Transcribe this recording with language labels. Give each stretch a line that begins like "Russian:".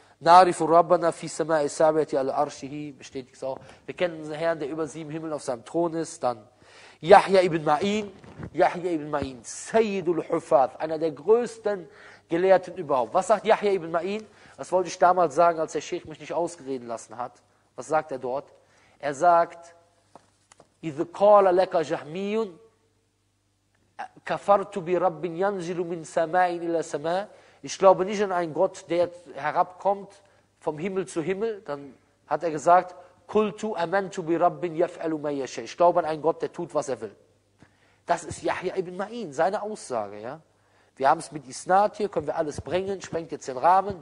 Arabic: Narifu Rabbana fi sama'i sabati al-arshihi,
German: bestätigt dies auch. Wir kennen den Herrn, der über sieben Himmel auf seinem Thron ist. Dann Yahya ibn Ma'in, Sayyidul Hufad, einer der größten Gelehrten überhaupt. Was sagt Yahya ibn Ma'in? Das wollte ich damals sagen, als der Sheikh mich nicht ausgereden lassen hat. Was sagt er dort? Er sagt,
Arabic: إِذْ قَالَ لَكَ جَحْمِيٌ كَفَرْتُ بِرَبِّنْ يَنْزِلُ مِنْ سَمَاءٍ إِلَى سَمَاءٍ.
German: Ich glaube nicht an einen Gott, der herabkommt vom Himmel zu Himmel. Dann hat er gesagt,
Arabic: Kultu amantu bi rabbin yaf'alu ma yasha.
German: Ich glaube an einen Gott, der tut, was er will. Das ist Yahya ibn Ma'in, seine Aussage. Ja? Wir haben es mit Isnad hier, können wir alles bringen, sprengt jetzt den Rahmen.